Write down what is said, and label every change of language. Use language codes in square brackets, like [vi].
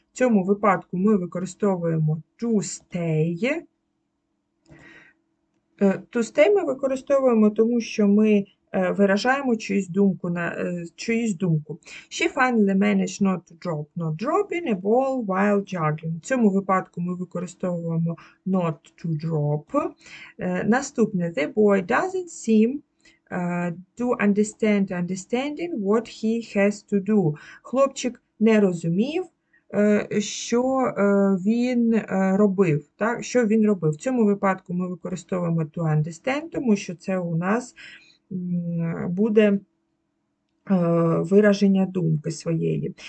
[uk] В цьому випадку ми використовуємо to stay. To stay ми використовуємо, тому що ми виражаємо чиюсь думку на чиюсь думку. [en] She finally managed not to drop, not dropping a ball while juggling. [uk] В цьому випадку ми використовуємо not to drop. Наступне. [en] The boy doesn't seem to understanding what he has to do. [uk] Хлопчик не розумів, що він робив, так? Що він робив. В цьому випадку ми використовуємо to understand, тому що це у нас буде вираження думки своєї.